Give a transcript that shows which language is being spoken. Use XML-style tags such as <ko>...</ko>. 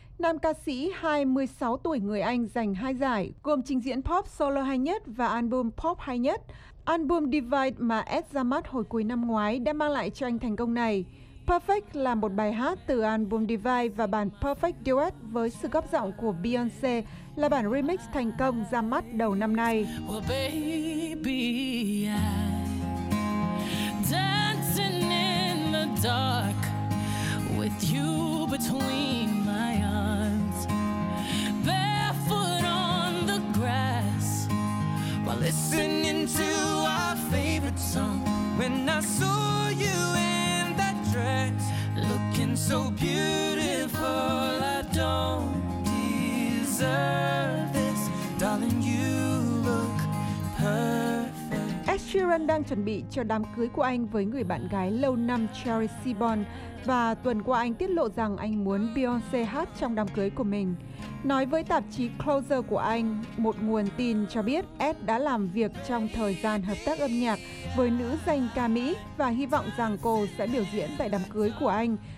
<vi>Nam ca sĩ 26 tuổi người Anh giành hai giải, gồm trình diễn pop solo hay nhất và album pop hay nhất. Album Divide mà Ed ra mắt hồi cuối năm ngoái đã mang lại cho anh thành công này. Perfect là một bài hát từ album Divide và bản Perfect Duet với sự góp giọng của Beyoncé là bản remix thành công ra mắt đầu năm nay.</vi> <en>Well, baby, dancing in the dark with you between my arms, barefoot on the grass while listening to our favorite song. When I saw you in that dress looking so beautiful, I don't deserve this, darling, you look perfect.</en> <vi>Ed Sheeran đang chuẩn bị cho đám cưới của anh với người bạn gái lâu năm Cherry Seaborn. Và tuần qua anh tiết lộ rằng anh muốn Beyoncé hát trong đám cưới của mình. Nói với tạp chí Closer của anh, một nguồn tin cho biết Ed đã làm việc trong thời gian hợp tác âm nhạc với nữ danh ca Mỹ và hy vọng rằng cô sẽ biểu diễn tại đám cưới của anh.</vi>